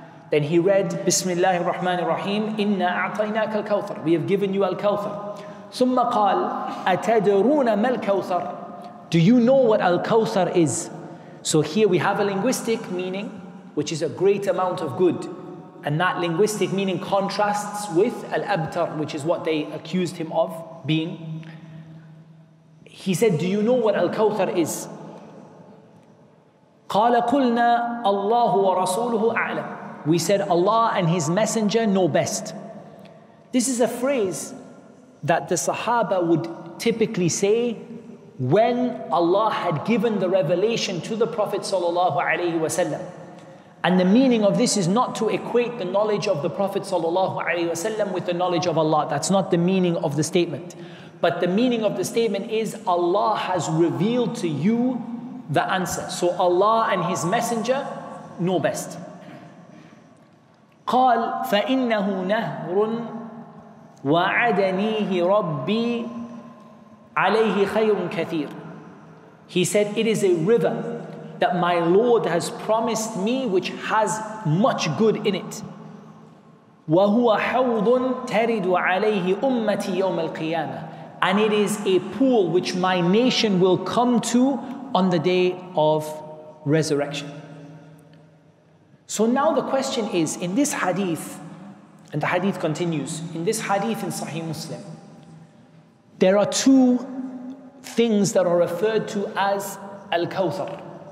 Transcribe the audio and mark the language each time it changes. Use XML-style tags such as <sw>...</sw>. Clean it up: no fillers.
<en>Then he read,</en> <ar>بِسْمِ اللَّهِ الرَّحْمَنِ الرَّحِيمِ إِنَّا أَعْطَيْنَاكَ الْكَوْثَرَ.</ar> <en>We have given you Al-Kawthar.</en> <ar>ثُمَّ قَالْ أَتَدْرُونَ مَا الْكَوْثَرَ.</ar> <en>Do you know what Al-Kawthar is? So here we have a linguistic meaning, which is a great amount of good. And that linguistic meaning contrasts with Al-Abtar, which is what they accused him of being. He said, do you know what Al-Kawthar is?</en> <ar>قَالَ قُلْنَا أَلَّهُ وَرَسُولُهُ أَعْلَمُ.</ar> <en>We said, Allah and His Messenger know best. This is a phrase that the Sahaba would typically say when Allah had given the revelation to the Prophet sallallahu alaihi wasallam. And the meaning of this is not to equate the knowledge of the Prophet sallallahu alaihi wasallam with the knowledge of Allah. That's not the meaning of the statement. But the meaning of the statement is, Allah has revealed to you the answer. So Allah and His Messenger know best.</en> <ar>قال فإنه نهر وعدنيه ربي عليه خير كثير.</ar> <en>He said, it is a river that my Lord has promised me, which has much good in it.</en> <ar>وهو حوض ترد عليه أمتي يوم القيامة.</ar> <en>And it is a pool which my nation will come to on the day of resurrection. So now the question is, in this hadith, and the hadith continues, in this hadith in Sahih Muslim, there are two things that are referred to as Al-Kawthar.</en>